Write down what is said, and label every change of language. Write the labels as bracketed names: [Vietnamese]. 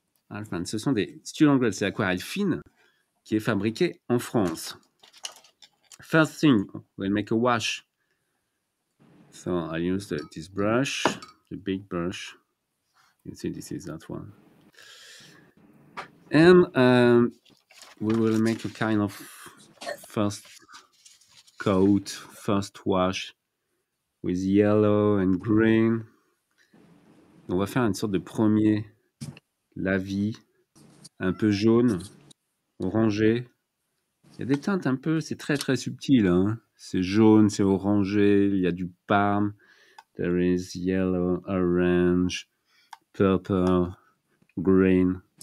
[French] Enfin, ce sont des student grade, c'est l'aquarelle fine qui est fabriquée en France. [English] First thing, we'll make a wash. So I use this brush, the big brush. You see, this is that one. And we will make a kind of first coat, first wash with yellow and green. [French] On va faire une sorte de premier lavis un peu jaune, orangé. Il y a des teintes un peu, c'est très très subtil. Hein. C'est jaune, c'est orangé, il y a du parme. [English] There is yellow, orange, purple, green.